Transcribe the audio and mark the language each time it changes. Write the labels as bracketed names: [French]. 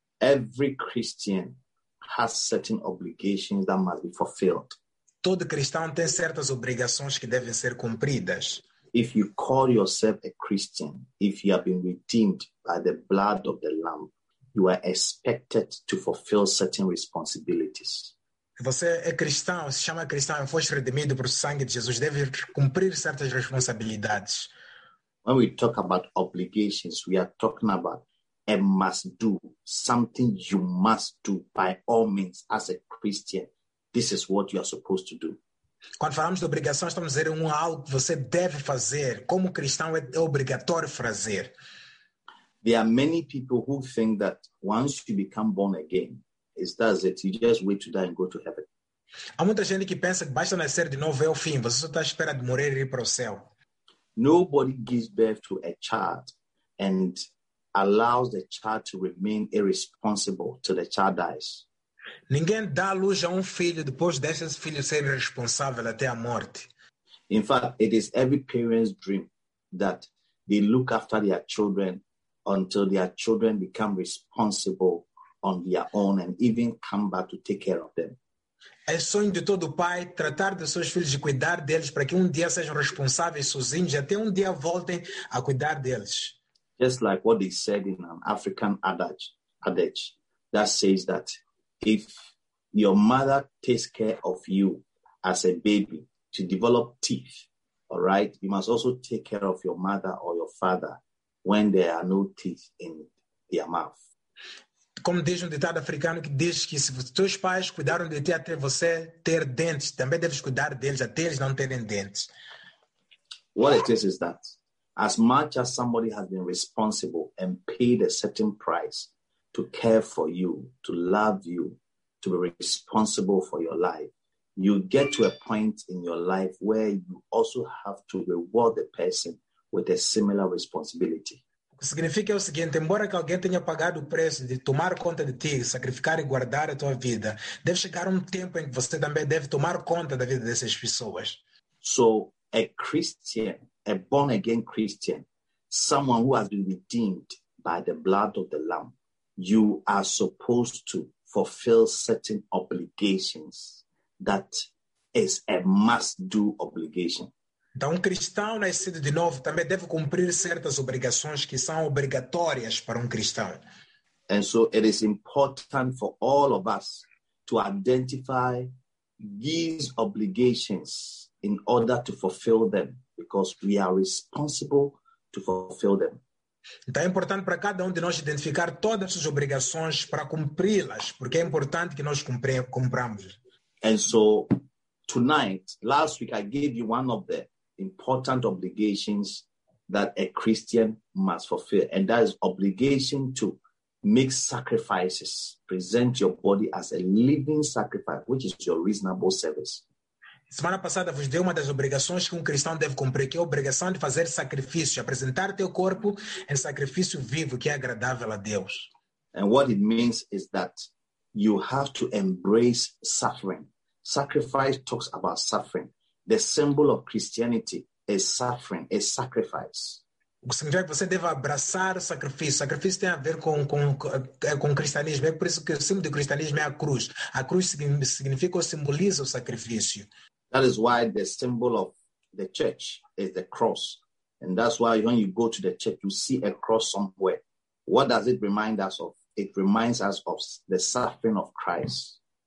[English] Every Christian has certain obligations that must be fulfilled. [Portuguese] Todo cristão tem certas obrigações que devem ser cumpridas. [English] If you call yourself a Christian, if you have been redeemed by the blood of the Lamb, you are expected to fulfill certain responsibilities. [Portuguese] Você é cristão, se chama cristão, foste redimido por sangue de Jesus, deve cumprir certas responsabilidades. [English] When we talk about obligations, we are talking about a must do, something you must do by all means as a Christian. This is what you are supposed to do. [Portuguese] Quando falamos de obrigação, estamos dizendo algo que você deve fazer. Como cristão, é obrigatório fazer. [English] There are many people who think that once you become born again, it does it. You just wait to die and go to heaven. [Portuguese] Há muita gente que pensa que basta nascer de novo é o fim. Você só está à espera de morrer e ir para o céu. [English] Nobody gives birth to a child and allows the child to remain irresponsible till the child dies. [Portuguese] Ninguém dá luz a filho depois deixa esse filho ser irresponsável até a morte. [English] In fact, it is every parent's dream that they look after their children until their children become responsible on their own and even come back to take care of them. [Portuguese] É sonho de todo pai tratar dos seus filhos e cuidar deles para que um dia sejam responsáveis sozinhos e até um dia voltem a cuidar deles. [English] Just like what they said in an African adage that says that if your mother takes care of you as a baby to develop teeth, all right, you must also take care of your mother or your father when there are no teeth in their mouth. [Portuguese] Como diz um ditado africano que diz que se os teus pais cuidaram de ti até você ter dentes, também deves cuidar deles até eles não terem dentes. [English] What it is that as much as somebody has been responsible and paid a certain price to care for you, to love you, to be responsible for your life, you get to a point in your life where you also have to reward the person with a similar responsibility. [Portuguese] O que significa é o seguinte: embora que alguém tenha pagado o preço de tomar conta de ti, sacrificar e guardar a tua vida, deve chegar um tempo em que você também deve tomar conta da vida dessas pessoas. [English] So, a Christian, a born-again Christian, someone who has been redeemed by the blood of the Lamb, you are supposed to fulfill certain obligations that is a must-do obligation. [Portuguese] Então, um cristão nascido de novo também deve cumprir certas obrigações que são obrigatórias para um cristão. [English] And so it is important for all of us to identify these obligations in order to fulfill them, because we are responsible to fulfill them. [Portuguese] Então, é importante para cada um de nós identificar todas as obrigações para cumpri-las, porque é importante que nós cumpramos. [English] And so, tonight, last week, I gave you one of the important obligations that a Christian must fulfill, and that is obligation to make sacrifices, present your body as a living sacrifice, which is your reasonable service. [Portuguese] Semana passada vos dei uma das obrigações que um cristão deve cumprir, que é a obrigação de fazer sacrifício, apresentar teu corpo em sacrifício vivo que é agradável a Deus. [English] And what it means is that you have to embrace suffering. Sacrifice talks about suffering. The symbol of Christianity is suffering, is sacrifice. [Portuguese] O que significa que você deve abraçar o sacrifício. O sacrifício tem a ver com o cristianismo. É por isso que o símbolo do cristianismo é a cruz. A cruz significa ou simboliza o sacrifício. [English] That is why the symbol of the church is the cross. And that's why when you go to the church, you see a cross somewhere. What does it remind us of? It reminds us of the suffering of Christ.